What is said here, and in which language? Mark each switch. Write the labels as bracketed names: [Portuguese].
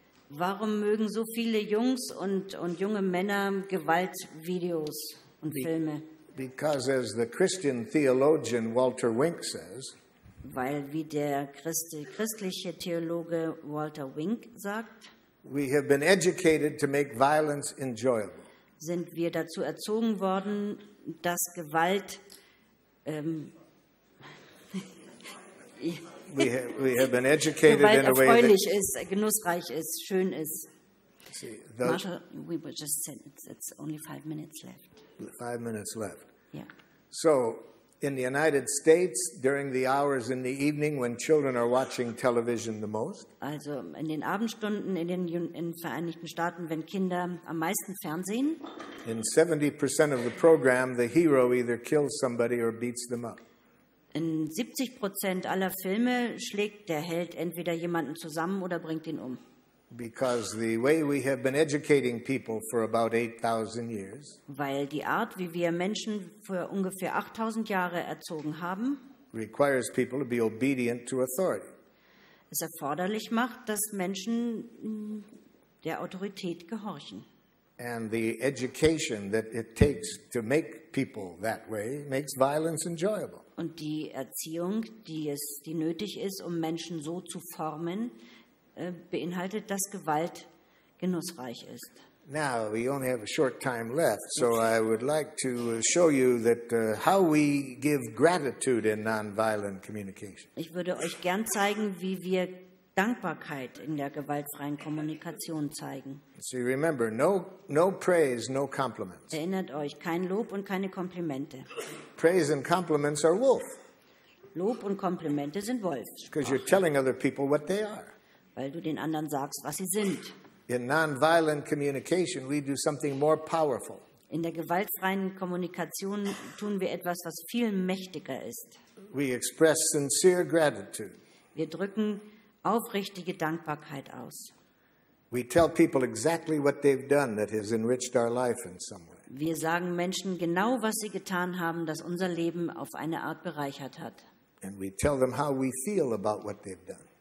[German] Warum mögen so viele Jungs und junge Männer Gewaltvideos und Filme? [English] Because as the Christian theologian Walter Wink says, [German] weil wie der christliche Theologe Walter Wink sagt, [English] we have been educated to make violence enjoyable. [German] Sind wir dazu erzogen worden, dass Gewalt [English] we have been educated in a way [German] erfreulich ist, genussreich ist, schön ist. [English] See, the, Marshall, we were just saying it's only 5 minutes left. 5 minutes left. Yeah. So in the United States, during the hours in the evening when children are watching television the most. [German] Also in den Abendstunden in Vereinigten Staaten, wenn Kinder am meisten fernsehen. [English] In 70% of the program, the hero either kills somebody or beats them up. [German] In 70% aller Filme schlägt der Held entweder jemanden zusammen oder bringt ihn um. [English] Because the way we have been educating people for about 8,000 years. [German] Weil die Art, wie wir Menschen für ungefähr 8,000 Jahre erzogen haben. [English] Requires people to be obedient to authority. [German] Es erforderlich macht, dass Menschen der Autorität gehorchen. [English] And the education that it takes to make people that way makes violence enjoyable. [German] Und die Erziehung, die nötig ist, um Menschen so zu formen, beinhaltet, dass Gewalt genussreich ist. [English] Now, we only have a short time left, so I would like to show you that how we give gratitude in non-violent communication. [German] Ich würde euch gern zeigen, wie wir Dankbarkeit in der gewaltfreien Kommunikation zeigen. [English] So you remember, no praise, no compliments. [German] Erinnert euch, kein Lob und keine Komplimente. [English] Praise and compliments are wolf. [German] Lob und Komplimente sind Wolf. [English] Because you're telling other people what they are. [German] Weil du den anderen sagst, was sie sind. [English] In non-violent communication, we do something more powerful. [German] In der gewaltfreien Kommunikation tun wir etwas, was viel mächtiger ist. [English] We express sincere gratitude. [German] Wir drücken aufrichtige Dankbarkeit aus. [English] We tell people exactly what they've done that has enriched our life in some way. [German] Wir sagen Menschen genau, was sie getan haben, das unser Leben auf eine Art bereichert hat. [English] And we tell them how we feel about what they've done.